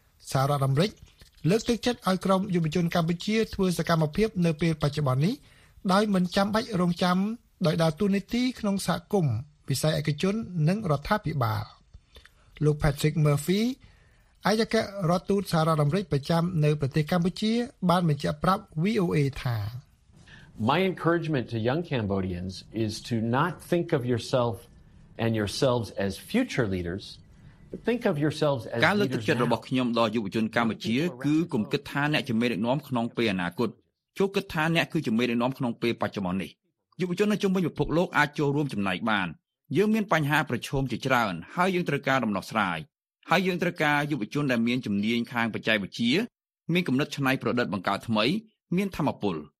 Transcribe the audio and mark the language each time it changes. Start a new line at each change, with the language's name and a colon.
Khmer: សហរដ្ឋអាមេរិកលើកទឹកចិត្តឲ្យក្រុមយុវជនកម្ពុជាធ្វើសកម្មភាពនៅពេលបច្ចុប្បន្ននេះដោយមិនចាំបាច់រង់ចាំដោយដើរតួនាទីក្នុងសហគមន៍វិស័យឯកជននិងរដ្ឋាភិបាលលោក Patrick Murphy អាយកៈរដ្ឋទូតសហរដ្ឋអាមេរិកប្រចាំនៅប្រទេសកម្ពុជាបានបញ្ជាក់ប្រាប់ VOA ថា
English: My encouragement to young Cambodians is to not think of yourself and yourselves as future leaders but think of yourselves as
Khmer: ការលើកទឹកចិត្តរបស់ខ្ញុំដល់យុវជនកម្ពុជាគឺគំគិតថាអ្នកជំនាញនាំក្នុងពេលអនាគតចូលគិតថាអ្នកគឺជំនាញនាំក្នុងពេលបច្ចុប្បន្ននេះយុវជននៅជុំវិញពិភពលោកអាចចូលរួមចំណែកបានយើងមានបញ្ហាប្រឈមជាច្រើនហើយយើងត្រូវការដំណោះស្រាយហើយយើងត្រូវការយុវជនដែលមានជំនាញខាងបច្ចេកវិទ្យាមានគំនិតច្នៃប្រឌិតបង្កើតថ្មីមានធម្មពល